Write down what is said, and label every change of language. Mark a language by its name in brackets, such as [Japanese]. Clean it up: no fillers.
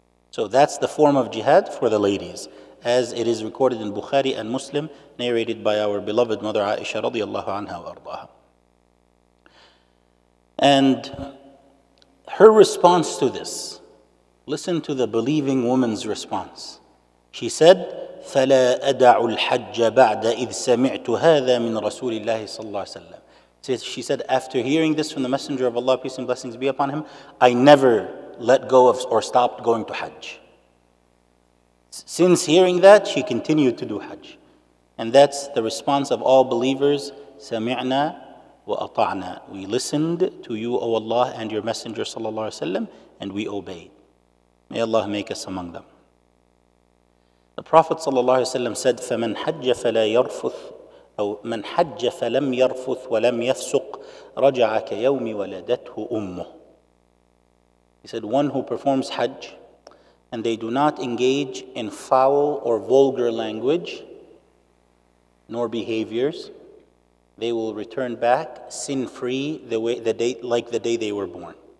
[English] So that's the form of jihad for the ladies, as it is recorded in Bukhari and Muslim, narrated by our beloved mother Aisha radiallahu anha wa ardaha. And her response to this, listen to the believing woman's response. She said, [Arabic] فَلَا أَدَعُ الْحَجَّ بَعْدَ إِذْ سَمِعْتُ هَذَا مِنْ رَسُولِ اللَّهِ صَلَّى اللَّهِ وَسَلَّمَ. [English] She said, after hearing this from the Messenger of Allah, peace and blessings be upon him, I never let go of or stopped going to Hajj. Since hearing that, she continued to do Hajj. And that's the response of all believers, [Arabic] سَمِعْنَا وَأَطَعْنَا. [English] We listened to you, O Allah, and your Messenger, [Arabic] صلى الله عليه وسلم, [English] and we obeyed. May Allah make us among them. The Prophet [Arabic] صلى الله عليه وسلم [English] said, [Arabic] فَمَنْ حَجَّ فَلَا يَرْفُثُ أَوْ مَنْ حَجَّ فَلَمْ يَرْفُثُ وَلَمْ يَفْسُقُ رَجَعَ كَيَوْمِ وَلَدَتْهُ أُمُّهُ. [English] He said, one who performs Hajj and they do not engage in foul or vulgar language nor behaviors, they will return back sin-free the day they were born.